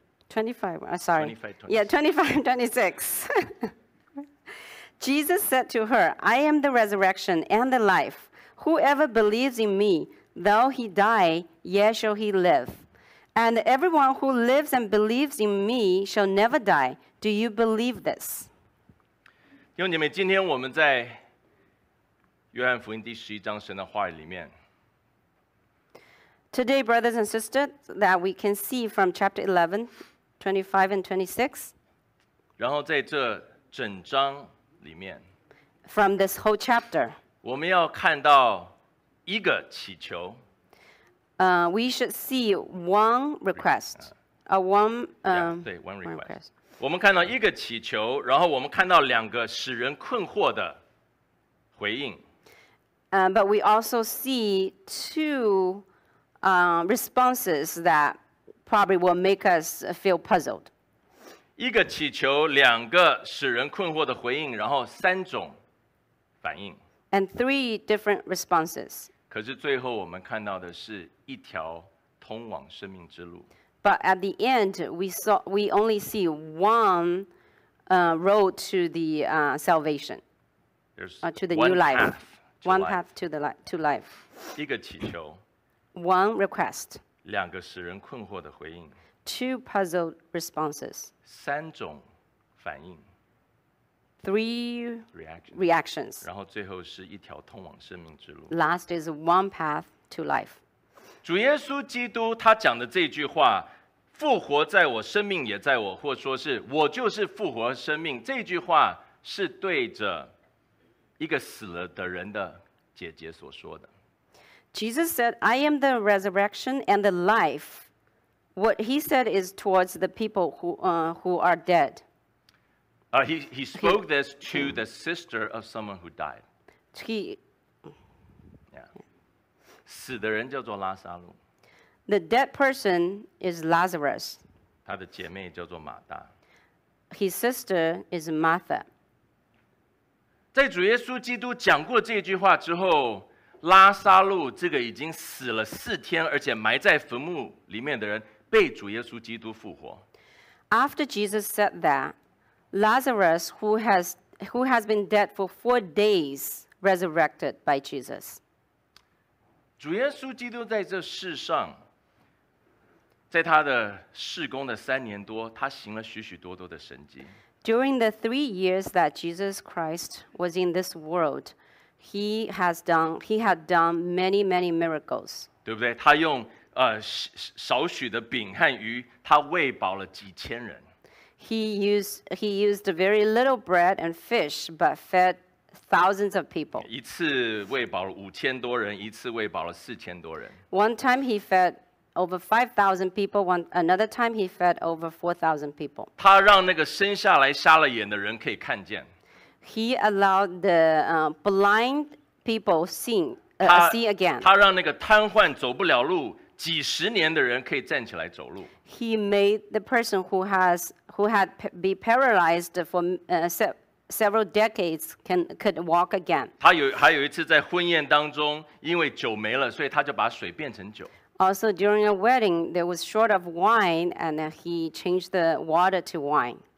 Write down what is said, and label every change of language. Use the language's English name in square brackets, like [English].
[English] 25:26. Jesus said to her, "I am the resurrection and the life. Whoever believes in me, though he die, yet shall he live. And everyone who lives and believes in me shall never die. Do you believe this?" [Chinese] 弟兄姐妹，今天我们在约翰福音第十一章神的话语里面。 [English] Today, brothers and sisters, that we can see from chapter 11:25 and 26. [Chinese] 然后在这整章里面。 [English] From this whole chapter. [Chinese] 我们要看到一个祈求。 [English] We should see one request. One request. [Chinese] 我们看到一个祈求，然后我们看到两个使人困惑的回应。 [English] But we also see two responses that probably will make us feel puzzled. [Chinese] 一个祈求，两个使人困惑的回应，然后三种反应。 [English] And three different responses. [Chinese] 可是最后我们看到的是一条通往生命之路。 [English] But at the end, we only see one road to the salvation, to the new life. One path to life. [Chinese] 一个祈求。 [English] One request. [Chinese] 两个使人困惑的回应。 [English] Two puzzled responses. [Chinese] 三种反应。 [English] Three reactions. [Chinese] 然后最后是一条通往生命之路。 [English] Last is one path to life. [Chinese] 主耶稣基督他讲的这句话，复活在我，生命也在我，或说是我就是复活生命，这句话是对着一个死了的人的姐姐所说的。 [English] Jesus said, "I am the resurrection and the life." What he said is towards the people who are dead. He spoke this to the sister of someone who died. He, [Chinese] 死的人叫做拉撒路。 [English] The dead person is Lazarus. [Chinese] 他的姐妹叫做马大。 [English] His sister is Martha. [Chinese] 在主耶稣基督讲过这句话之后，拉撒路这个已经死了四天，而且埋在坟墓里面的人，被主耶稣基督复活。 [English] After Jesus said that. Lazarus, who has been dead for 4 days, resurrected by Jesus. [Chinese] 主耶稣基督在这世上，在他的事工的三年多，他行了许许多多的神迹。 [English] During the 3 years that Jesus Christ was in this world, he had done many, many miracles. [Chinese] 对不对？他用少许的饼和鱼，他喂饱了几千人。 [English] He used very little bread and fish, but fed thousands of people. [Chinese] 一次喂饱了五千多人，一次喂饱了四千多人。 [English] One time he fed over 5,000 people. Another time he fed over 4,000 people. [Chinese] 他让那个生下来瞎了眼的人可以看见。 [English] He allowed the blind people see again. [Chinese] 他让那个瘫痪走不了路。几十年的人可以站起来走路。 [English] He made the person who had been paralyzed for several decades could walk again. [Chinese] 他还有一次在婚宴当中，因为酒没了，所以他就把水变成酒。 [English] Also during a wedding, there was short of wine, and he changed the water to wine.